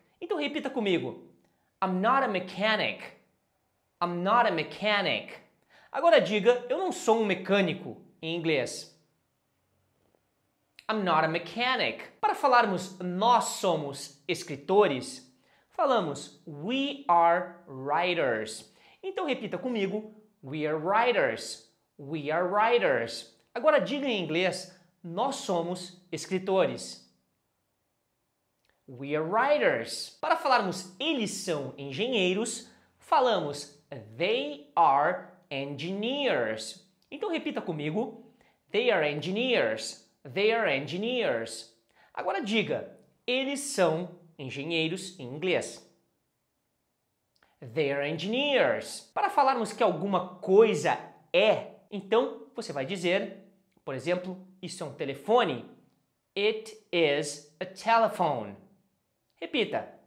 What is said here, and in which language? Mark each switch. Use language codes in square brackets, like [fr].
[pt] Então repita comigo. [en] I'm not a mechanic. I'm not a mechanic. [pt] Agora diga, eu não sou um mecânico em inglês. [en] I'm not a mechanic. [pt] Para falarmos nós somos escritores, falamos, [en] we are writers. [pt] Então repita comigo, [en] we are writers. We are writers. [pt] Agora diga em inglês, nós somos escritores. [en] We are writers. [pt] Para falarmos, eles são engenheiros, falamos, [en] they are engineers. [pt] Então repita comigo, [en] they are engineers. They are engineers. [pt] Agora diga, eles são engenheiros em inglês. [en] They are engineers. [pt] Para falarmos que alguma coisa é, então você vai dizer, por exemplo, isso é um telefone. [en] It is a telephone. [pt] Repita.